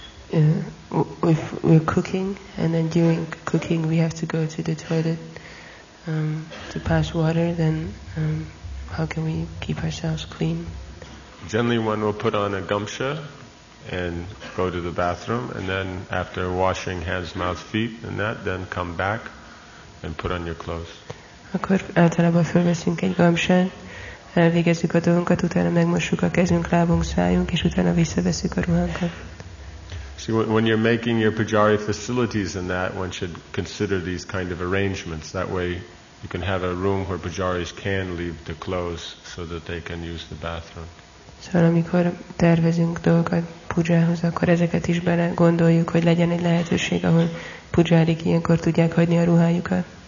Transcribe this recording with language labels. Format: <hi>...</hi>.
<en>If we're cooking, and then during cooking we have to go to the toilet to pass water, then how can we keep ourselves clean? Generally one will put on a gamsha and go to the bathroom, and then after washing hands, mouth, feet, and that, then come back and put on your clothes.</en> <hu>Akkor általában fölveszünk egy gamsát, elvégezzük a dolgunkat, utána megmossuk a kezünk, lábunk, szájunk, és utána visszaveszünk a ruhánkat.</hu> <en>See, when you're making your pujari facilities and that, one should consider these kind of arrangements. That way you can have a room where pujaris can leave the clothes so that they can use the bathroom.</en> <hu>Szóval amikor tervezünk dolgokat pujához, akkor ezeket is bele gondoljuk, hogy legyen egy lehetőség, ahol pujarik ilyenkor tudják hagyni a ruhájukat.</hu>